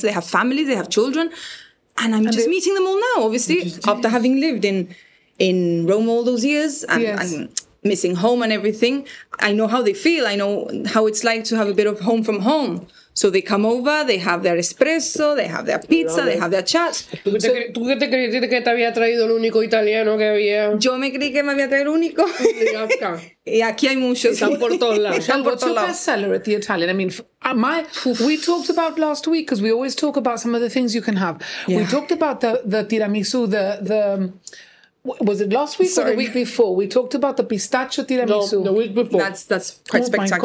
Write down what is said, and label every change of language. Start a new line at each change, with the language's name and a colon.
English: They have family, they have children. And I'm just meeting them all now, obviously, after having lived in Rome all those years and missing home and everything. I know how they feel. I know how it's like to have a bit of home from home. So they come over, they have their espresso, they have their pizza, they have their chats.
Spanish: ¿Tú qué te creíste que te había traído el único italiano que había? Yo me creí que me había traído el único. Y aquí hay muchos. Están por todos lados. Están por todos lados.
English: Bestseller at the Italian. I mean, we talked about last week, because we always talk about some of the things you can have. Yeah. We talked about the tiramisu, the was it last week or the week before? We talked about the pistachio tiramisu. No, the week before. That's quite spectacular.